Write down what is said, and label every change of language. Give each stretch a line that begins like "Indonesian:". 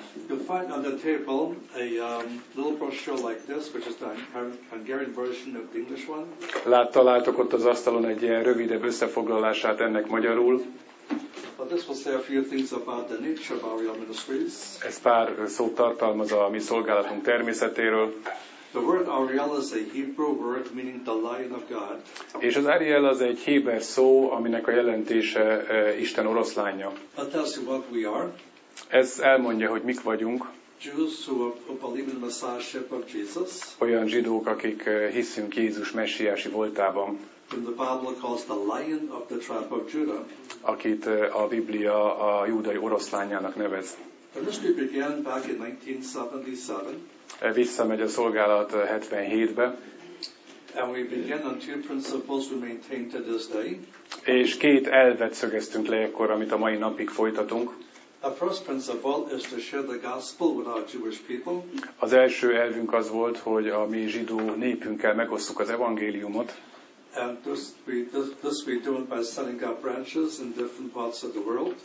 English: You'll find on the table a little brochure like this, which is the Hungarian version of the English one.
Hungarian: Láttalátok ott az asztalon egy ilyen rövidebb összefoglalását ennek magyarul.
English: But this will say a few things about the nature of our ministries.
Hungarian: Ez pár szót tartalmaz a mi szolgálatunk természetéről.
English: The word Ariel is a Hebrew word meaning the Lion of God.
Hungarian: És az Ariel az egy héber szó, aminek a jelentése Isten oroszlánya.
English: That tells you what we are.
Hungarian: Ez elmondja, hogy mik vagyunk.
English: Jews who believe in the Messiahship of Jesus.
Hungarian: Olyan zsidók, akik hiszünk Jézus messiási voltában.
English: Whom the Bible calls the Lion of the Tribe of Judah.
Hungarian: Akit a Biblia a júdai oroszlányának nevez.
English: The ministry began back in 1977.
Hungarian: Visszamegy a szolgálat 77-be.
English: And we began on two principles we maintain to this day.
Hungarian: És két elvet szögeztünk le ekkor, amit a mai napig folytatunk.
English: The first principle is to share the gospel with our Jewish people.
Hungarian: Az első elvünk az volt, hogy a mi zsidó népünkkel megosztjuk az evangéliumot.
English: And this we do by setting up branches in different parts of the world.